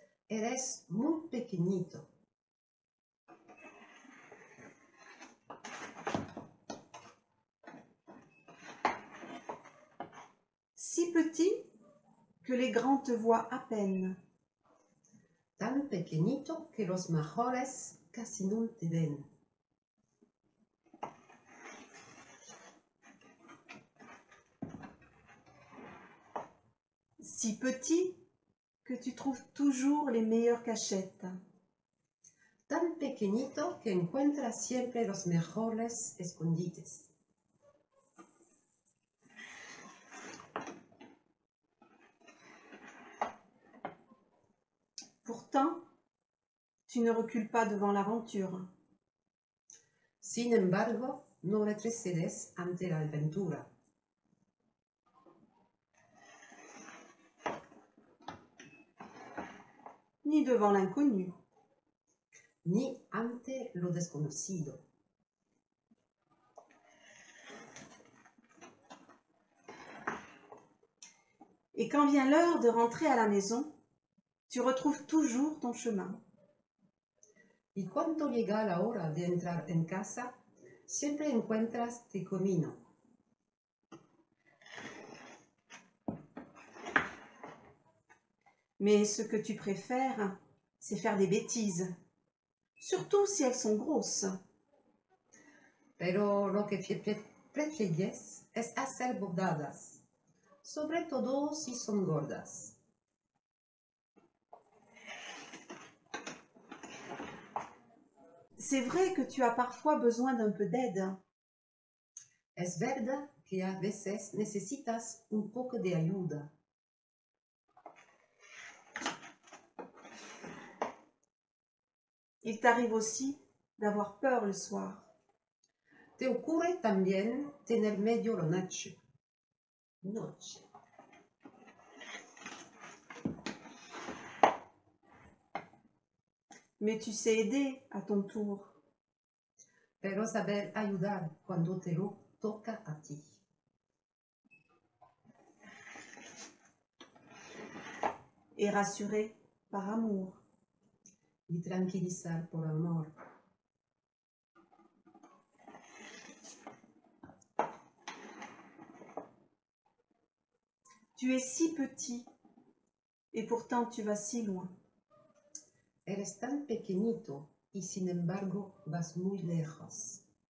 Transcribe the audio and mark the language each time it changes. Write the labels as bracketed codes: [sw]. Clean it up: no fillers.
[es] Eres muy pequeñito. [fr] Si petit que les grands te voient à peine. [es] Tan pequeñito que los mayores casi no te ven. [fr] Si petit que tu trouves toujours les meilleures cachettes. [es] Tan pequeñito que encuentras siempre los mejores escondites. [fr] Pourtant, tu ne recules pas devant l'aventure. [es] Sin embargo, no retrocedes ante la aventura. [fr] Ni devant l'inconnu. [es] Ni ante lo desconocido. [fr] Et quand vient l'heure de rentrer à la maison, tu retrouves toujours ton chemin. [es] Y cuando llega la hora de entrar en casa, siempre encuentras tu camino. [fr] Mais ce que tu préfères, c'est faire des bêtises, surtout si elles sont grosses. [es] Pero lo que prefieres es hacer bordadas, sobre todo si son gordas. [fr] C'est vrai que tu as parfois besoin d'un peu d'aide. [es] Es verdad que a veces necesitas un poco de ayuda. [fr] Il t'arrive aussi d'avoir peur le soir. [es] Te ocurre también tener medio la noche. Noche. [fr] Mais tu sais aider à ton tour. [es] Pero saber ayudar cuando te lo toca a ti. [fr] Et rassurer par amour. [es] Y tranquilizar por amor. [fr] Tu es si petit et pourtant tu vas si loin. [es] Eres tan pequeñito y sin embargo vas muy lejos.